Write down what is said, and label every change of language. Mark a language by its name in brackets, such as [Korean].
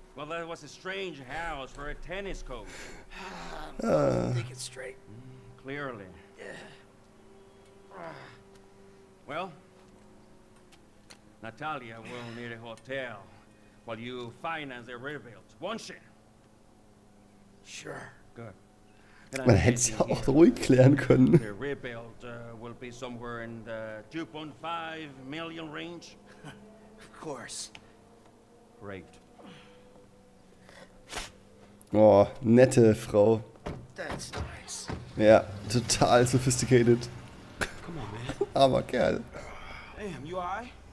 [English] Well, that was a strange house for a tennis coach. Think it straight. Clearly. Yeah. Well, Natalia will need a hotel while you finance the rebuild, won't she? Sure. Good. [German] Man hätte es ja auch ruhig klären können. [English] The rebuild will be somewhere in the 2.5 million range. Of course. Great. Oh, [German] nette Frau. [English] That's nice. [German] Ja, total [English] sophisticated. Come on, man. [German] Aber Kerl. [English] Damn, you all right?